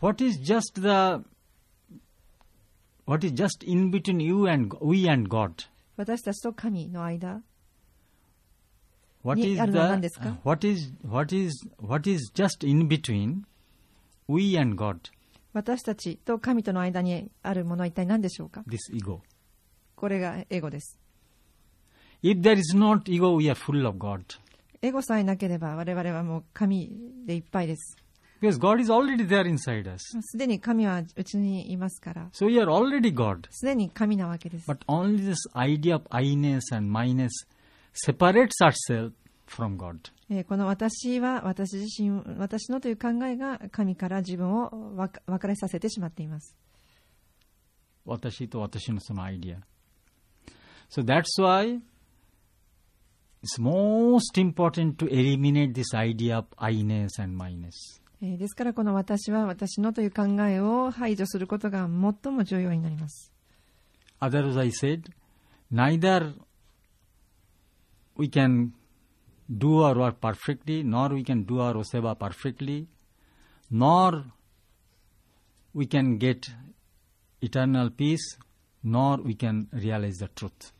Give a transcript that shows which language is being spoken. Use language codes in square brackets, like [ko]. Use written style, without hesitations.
[en] What is just the... What is just in between you and we and God? [ja] 私たちと神の間にあるのは何ですか? [en] What is just in between we and God? [ja] 私たちと神との間にあるものは一体何でしょうか? [en] This ego. [ja] これがエゴです。 [en] If there is not ego, we are full of God. [ja] エゴさえなければ我々はもう神でいっぱいです。 [en] Because God is already there inside us. [ja] すでに神はうちにいますから。 [en] So we are already God. [ja] すでに神なわけです。 [en] But only this idea of I-ness and my-ness separates ourselves from God. [ja] この私は私自身、私のという考えが神から自分を分かれさせてしまっています。私と私のそのアイデア。 [en] So that's why it's most important to eliminate this idea of I-ness and my-ness. [ja] ですからこの私は私のという考えを排除することが最も重要になります。 [en] Otherwise, I said, neither we can do our work perfectly, nor we can do our seva perfectly, nor we can get eternal peace, nor we can realize the truth.